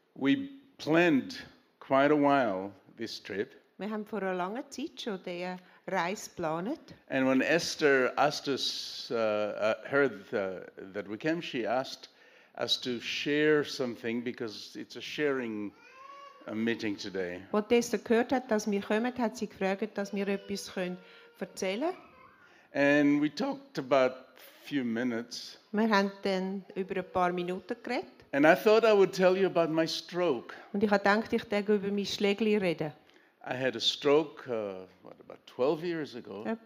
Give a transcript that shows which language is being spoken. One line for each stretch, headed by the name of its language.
English: We planned quite a while this trip.
German: Wir haben vor einer langen Zeit schon die Reise geplant.
English: And when Esther asked us, heard that we came, she asked us to share something because it's a sharing meeting today.
German: Als Esther gehört hat, dass wir kommen, hat sie gefragt, dass wir etwas können erzählen.
English: And we talked about a few minutes.
German: Wir haben dann über ein paar Minuten geredet.
English: And I thought I would tell you about my stroke.
German: Und ich habe gedacht, ich würde über mein Schlägli reden.
English: I had a stroke about 12 years ago.